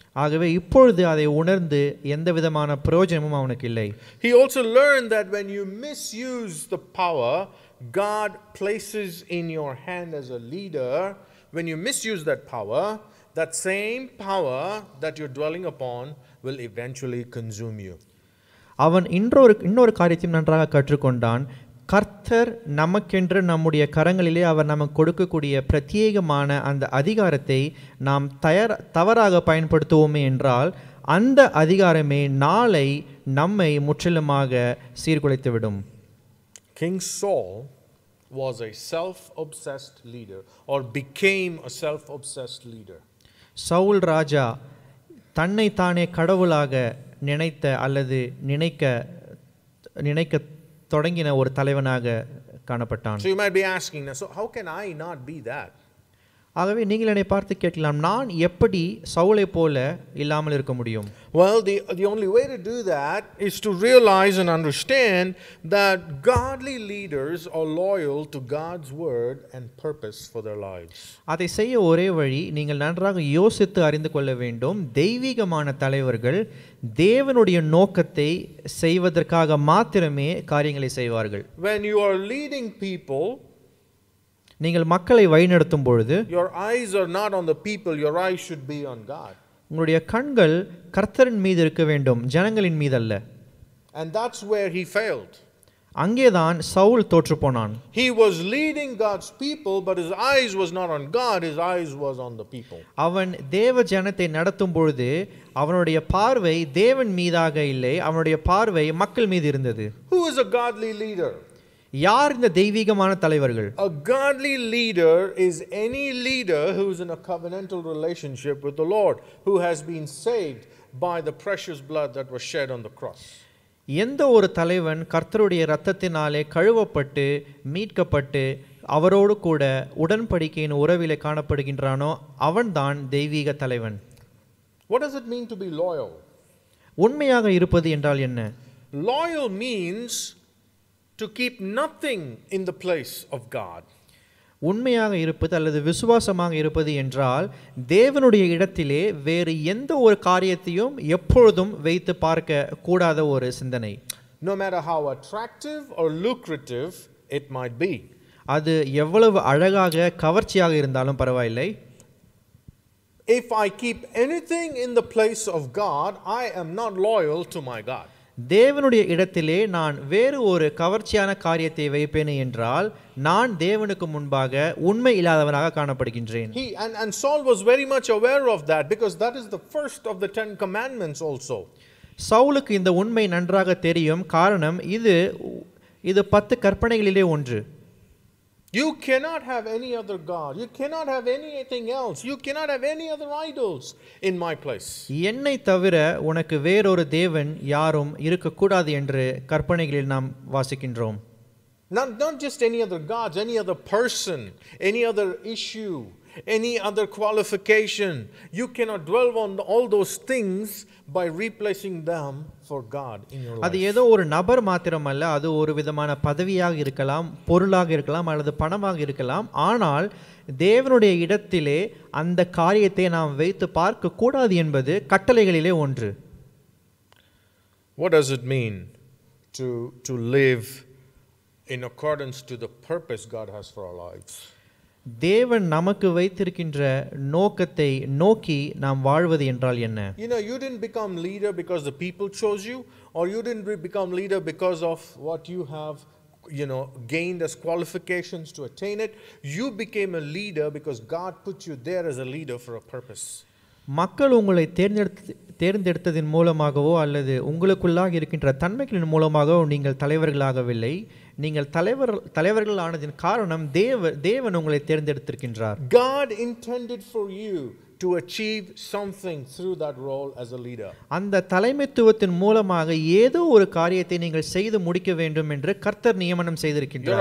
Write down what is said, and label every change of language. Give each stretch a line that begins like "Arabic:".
Tamil: ஆகவே இப்பொழுது அதை உணர்ந்து எந்த விதமான பிரயோஜனமும் அவனுக்கு இல்லை.
English: He also learned that when you misuse the power God places in your hand as a leader, when you misuse that same power that you're dwelling upon will eventually consume you.
Tamil: அவன் இன்னொரு காரியத்தையும் நன்றாக கற்றுக்கொண்டான். கர்த்தர் நமக்கென்று நம்முடைய கரங்களிலே அவர் நமக்கு கொடுக்கக்கூடிய பிரத்யேகமான அந்த அதிகாரத்தை நாம் தவறாக பயன்படுத்துவோமே என்றால் அந்த அதிகாரமே நாளை நம்மை முற்றிலுமாக சீர்குலைத்துவிடும்.
English: King Saul was a self-obsessed leader or became a self-obsessed leader.
Tamil: Saul ராஜா தன்னை தானே கடவுளாக நினைத்த அல்லது நினைக்க தொடங்கின ஒரு தலைவனாக காணப்பட்டான்.
English: So you might be asking, so how can I not be that?
Tamil: ஆகவே நீங்கள் என்னை பார்த்து கேட்கலாம், நான் எப்படி சவுலை போல இல்லாமல் இருக்க முடியும்?
English: Well, the only way to do that is to realize and understand that godly leaders are loyal to God's word and purpose for their lives.
Tamil: அதை செய்ய ஒரே வழி, நீங்கள் நன்றாக யோசித்து அறிந்து கொள்ள வேண்டும், தெய்வீகமான தலைவர்கள் தேவனுடைய நோக்கத்தை செய்வதற்காக மாத்திரமே காரியங்களை செய்வார்கள்.
English: When you are leading people,
Tamil: நீங்கள் மக்களை வழிநடத்தும் பொழுது
English: your eyes are not on the people, your eyes should be on God.
Tamil: உங்களுடைய கண்கள் கர்த்தரின் மீது இருக்க வேண்டும், ஜனங்களின் மீது அல்ல.
English: And that's where he failed.
Tamil: அங்கேதான் சவுல் தோற்று போனான்.
English: He was leading God's people, but his eyes was not on God, his eyes was on the people.
Tamil: அவன் தேவ ஜனத்தை நடத்தும் பொழுது அவனுடைய பார்வை தேவன் மீதாக இல்லை, அவனுடைய பார்வை மக்கள் மீது இருந்தது.
English: Who is a godly leader?
Tamil: யார் இந்த தெய்வீகமான தலைவர்கள்?
English: A godly leader is any leader who is in a covenantal relationship with the Lord, who has been saved by the precious blood that was shed on the cross.
Tamil: எந்த ஒரு தலைவன் கர்த்தருடைய இரத்தத்தினாலே கழுவப்பட்டு மீட்கப்பட்டு அவரோடு கூட உடன்படிக்கையின் உறவிலே காணப்படுகின்றானோ அவன்தான் தெய்வீக தலைவன்.
English: What does it mean to be loyal?
Tamil: உண்மையாக இருப்பது என்றால் என்ன?
English: Loyal means to keep nothing in the place of God.
Tamil: உண்மையாக இருப்பது அல்லது விசுவாசமாக இருப்பது என்றால் தேவனுடைய இடத்திலே வேறு எந்த ஒரு காரியத்தையும் எப்பொழுதும் வைத்து பார்க்க கூடாத ஒரு சிந்தனை.
English: No matter how attractive or lucrative it might be.
Tamil: அது எவ்வளவு அழகாக கவர்ச்சியாக இருந்தாலும் பரவாயில்லை.
English: If I keep anything in the place of God, I am not loyal to my God.
Tamil: தேவனுடைய இடத்திலே நான் வேறு ஒரு கவர்ச்சியான காரியத்தை வைப்பேன் என்றால் நான் தேவனுக்கு முன்பாக உண்மை இல்லாதவனாக காணப்படுகின்றேன்.
English: He and Saul was very much aware of that because that is the first of the 10 commandments also.
Tamil: சவுலுக்கு இந்த உண்மை நன்றாக தெரியும். காரணம் இது 10 கற்பனைகளிலே ஒன்று.
English: You cannot have any other god. You cannot have anything else. You cannot have any other idols in my place.
Tamil: என்னைத் தவிர உனக்கு வேற ஒரு தேவன் யாரும் இருக்க கூடாது என்று கற்பனைகளில் நாம் வாசிக்கின்றோம்.
English: Not just any other gods, any other person, any other issue, any other qualification. You cannot dwell on all those things by replacing them for God in your life.
Tamil: அது ஏதோ ஒரு நபர் மாத்திரம் அல்ல, அது ஒரு விதமான பதவியாக இருக்கலாம், பொருளாக இருக்கலாம், அல்லது பணமாக இருக்கலாம். ஆனால் தேவனுடைய இடத்திலே அந்த காரியத்தை நாம் வைத்து பார்க்க கூடாது என்பது கட்டளைகளிலே ஒன்று.
English: What does it mean to live in accordance to the purpose God has for our lives?
Tamil: தேவன் நமக்கு வைத்திருக்கின்ற நோக்கத்தை நோக்கி நாம் வாழ்வது என்றால் என்ன?
English: You know, you didn't become leader because the people chose you, or you didn't become leader because of what you have, you know, gained as qualifications to attain it. You became a leader because God put you there as a leader for a purpose.
Tamil: மக்கள் உங்களை தேர்ந்தெடுத்ததின் மூலமாகவோ அல்லது உங்களுக்குள்ளாக இருக்கின்ற தன்மைகளின் மூலமாகவோ நீங்கள் தலைவர்களாகவில்லை. நீங்கள் தலைவர்கள் ஆனதின் காரணம் தேவன் உங்களை தேர்ந்தெடுத்திருக்கின்றார்.
English: God intended for you to achieve something through that role as a leader.
Tamil: அந்த தலைமைத்துவத்தின் மூலமாக ஏதோ ஒரு காரியத்தை நீங்கள் செய்து முடிக்க வேண்டும் என்று கர்த்தர் நியமனம் செய்திருக்கின்றார்.